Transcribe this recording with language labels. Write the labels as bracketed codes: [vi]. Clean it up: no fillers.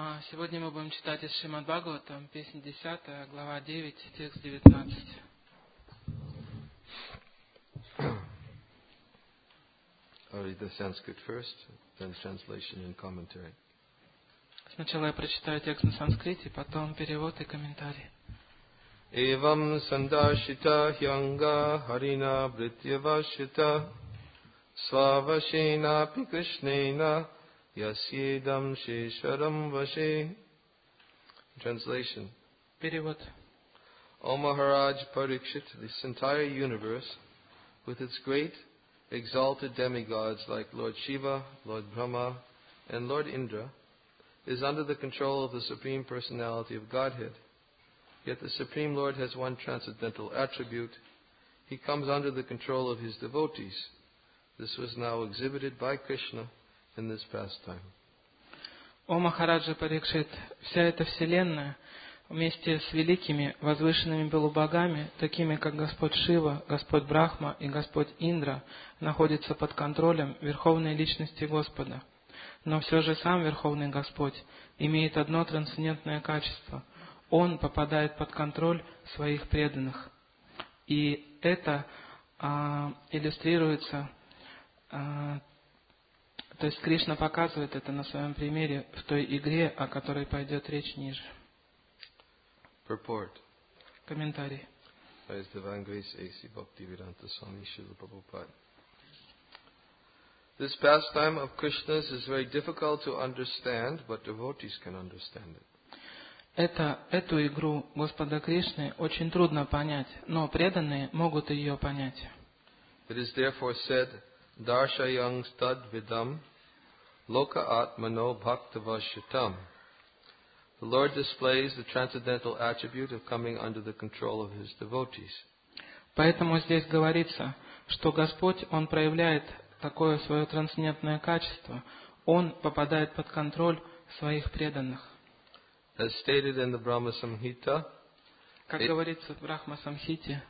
[ru] Сегодня мы будем читать из Шримад Бхагаватам, песня 10, глава 9, текст 19. [en] I'll read the Sanskrit first, then translation and commentary. [ru] Сначала я прочитаю текст на санскрите, потом перевод и комментарий. [sa] Evam sandashita hyanga harina vrityavashita svavashena pikrishnena yasyedam shesharam vashe. [en] Translation. [ru] Перевод. [en] O Maharaj Parikshit, this entire universe, with its great exalted demigods like Lord Shiva, Lord Brahma, and Lord Indra, is under the control of the Supreme Personality of Godhead. Yet the Supreme Lord has one transcendental attribute. He comes under the control of his devotees. This was now exhibited by Krishna in this pastime. [ru] О Махараджа Парикшит, вся эта вселенная вместе с великими возвышенными полубогами, такими как Господь Шива, Господь Брахма и Господь Индра, находится под контролем Верховной Личности Господа. Но все же сам Верховный Господь имеет одно трансцендентное качество – Он попадает под контроль своих преданных. И это иллюстрируется, то есть Кришна показывает это на своем примере в той игре, о которой пойдет речь ниже. [en] Purport. [ru] Комментарий. [en] As Divine Grace A.C. Bhaktivedanta Swami Srila Prabhupada. This pastime of Krishna's is very difficult to understand, but devotees can understand it. [ru] Эту игру Господа Кришны очень трудно понять, но преданные могут ее понять. [en] It is therefore said, [sa] darshayam tad vidam loka atmano bhaktavashitam. [en] The Lord displays the transcendental attribute of coming under the control of his devotees. [ru] Поэтому здесь говорится, что Господь, Он проявляет такое свое трансцендентное качество, Он попадает под контроль своих преданных. [en] As stated in the Brahma Samhita, [ru] как говорится в Брахма Самхите,